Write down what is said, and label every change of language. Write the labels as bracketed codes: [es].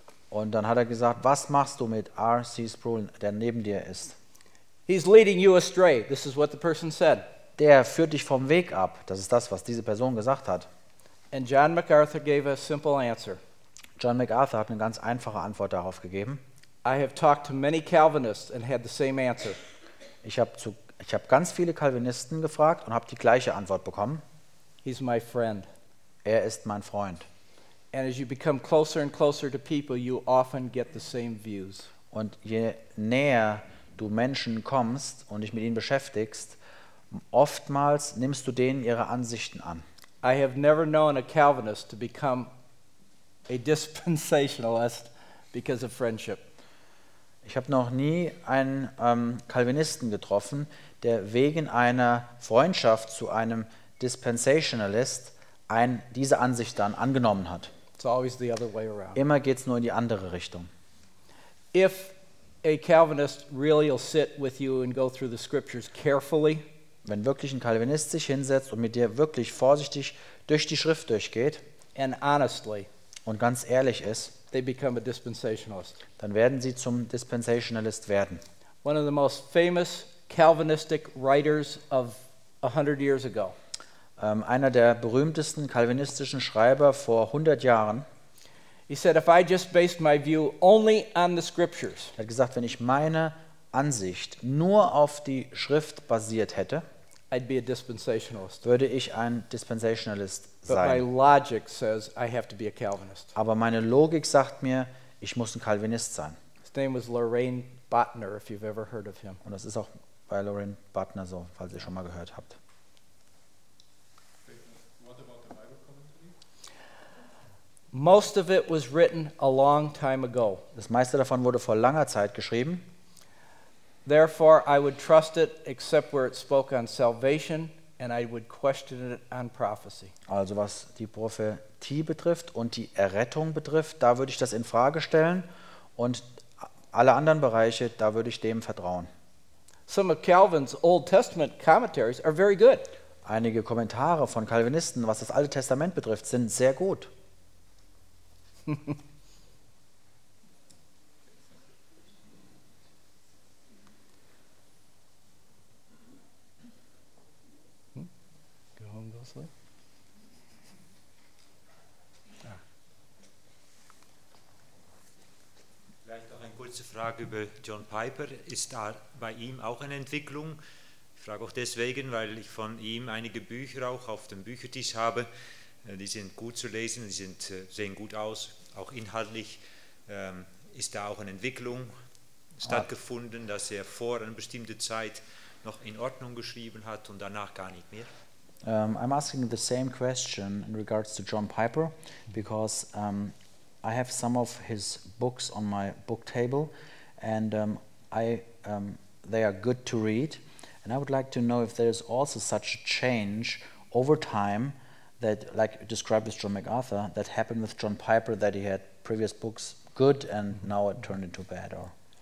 [de] Und dann hat er gesagt, was machst du mit R.C. Sproul, der neben dir ist? [en] He's leading you astray. This is what the person said. [de] Der führt dich vom Weg ab. Das ist das, was diese Person gesagt hat. [en] And John MacArthur gave a simple answer. [de] John MacArthur hat eine ganz einfache Antwort darauf gegeben. [en] I have talked to many Calvinists and had the same answer. [de] Ich habe ganz viele Calvinisten gefragt und habe die gleiche Antwort bekommen. [en] He's my friend. [de] Er ist mein Freund. [en] And as you become closer and closer to people, you often get the same views. [de] Und je näher du Menschen kommst und dich mit ihnen beschäftigst, oftmals nimmst du denen ihre Ansichten an. [en] I have never known a Calvinist to become a dispensationalist because of friendship. [de] Ich habe noch nie einen Calvinisten getroffen, der wegen einer Freundschaft zu einem Dispensationalist diese Ansicht dann angenommen hat. [en] It's always the other way around. [de] Immer geht's nur in die andere Richtung. [en] If a Calvinist really will sit with you and go through the scriptures carefully, [de] wenn wirklich ein Calvinist sich hinsetzt und mit dir wirklich vorsichtig durch die Schrift durchgeht, [en] and honestly, [de] und ganz ehrlich ist, [en] they become a dispensationalist. [de] Dann werden sie zum Dispensationalist werden. [en] One of the most famous Calvinistic writers of 100 years ago. [de] Einer der berühmtesten kalvinistischen Schreiber vor 100 Jahren. [en] He said, if I just based my view only on the scriptures. [de] Er hat gesagt, wenn ich meine Ansicht nur auf die Schrift basiert hätte, [en] I'd be a dispensationalist. [de] Würde ich ein Dispensationalist sein. [en] But my logic says I have to be a Calvinist. [de] Aber meine Logik sagt mir, ich muss ein Calvinist sein. [en] His name was Lorraine Bottner, if you've ever heard of him. [de] Und das ist auch bei Lorraine Bottner so, falls ihr schon mal gehört habt. [en] Most of it was written a long time ago. [de] Das meiste davon wurde vor langer Zeit geschrieben. [en] Therefore, I would trust it, except where it spoke on salvation, and I would question it on prophecy. [de] Also was die Prophetie betrifft und die Errettung betrifft, da würde ich das in Frage stellen, und alle anderen Bereiche, da würde ich dem vertrauen. [en] Some of Calvin's Old Testament commentaries are very good. [de] Einige Kommentare von Calvinisten, was das Alte Testament betrifft, sind sehr gut. Frage über John Piper. Ist da bei ihm auch eine Entwicklung? Ich frage auch deswegen, weil ich von ihm einige Bücher auch auf dem Büchertisch habe. Die sind gut zu lesen, die sehen gut aus, auch inhaltlich. Ist da auch eine Entwicklung stattgefunden, dass er vor einer bestimmten Zeit noch in Ordnung geschrieben hat und danach gar nicht mehr? [en] I'm asking the same question in regards to John Piper, because I have some of his books on my book table, and they are good to read. And I would like to know if there is also such a change over time that, like described with John MacArthur, that happened with John Piper, that he had previous books good and now it turned into bad, or